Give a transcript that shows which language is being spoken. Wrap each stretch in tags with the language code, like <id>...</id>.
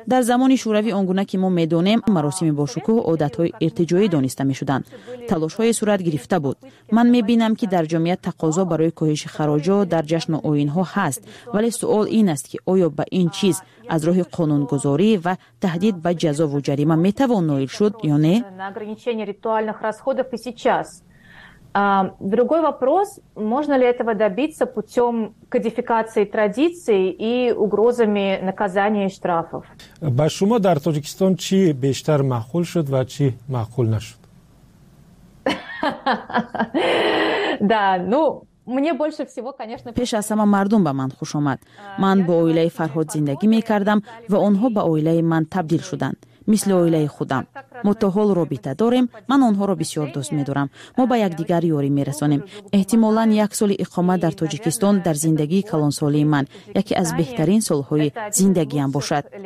<fa>در زمان شوروی آنگونه که ما میدونیم مراسم باشکوه عادت های ارتجایی دانسته میشدند. تلاش های صورت گرفته بود. من میبینم که در جامعه تقاضا برای کاهش خراج ها در جشن آیین ها هست، ولی سوال این است که آیا به این چیز از راه قانون گذاری و تهدید به جزا و جریمه میتوان نائل شد یا نه؟</fa> <ru>На ограничение ритуальных расходов и сейчас. Другой вопрос, можно ли этого добиться путем кодификации традиций и угрозами наказания и штрафов?</ru> <tg>Ба шумо дар Таҷикистон чи бештар маъқул шуд ва чи маъқул нашуд?</tg> <ru>Да, ну мне больше всего, конечно,</ru> <tg>пеша сама мардум ба ман хуш омад. Ман бо оилаи Фарҳод зиндагӣ мекардам ва онҳо ба оилаи ман табдил шуданд. Мисли оилаи худам. Мо то ҳол робита дорем, ман онҳо ро бисёр дӯст медорам. Мо ба якдигар ёрӣ мерасонем. Эҳтимолан як соли иқомат дар Тоҷикистон дар зиндагии калонсолии ман яке аз беҳтарин солҳои зиндагиам бошад.</tg>